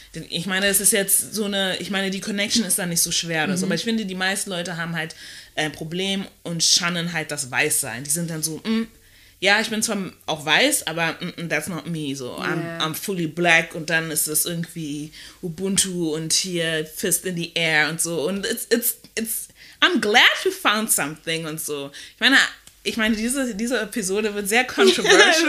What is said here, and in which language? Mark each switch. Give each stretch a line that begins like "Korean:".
German: Denn ich meine, es ist jetzt so eine, ich meine, die Connection ist da nicht so schwer oder so, aber ich finde, die meisten Leute haben halt ein Problem und schannen halt das Weißsein. Die sind dann so, ja, ich bin zwar auch weiß, aber
English: that's not me. So, I'm fully black
German: und dann ist es irgendwie Ubuntu und hier
English: Fist in the Air
German: und so. Und
English: it's I'm glad we found something
German: und so. Ich meine, diese Episode wird sehr controversial.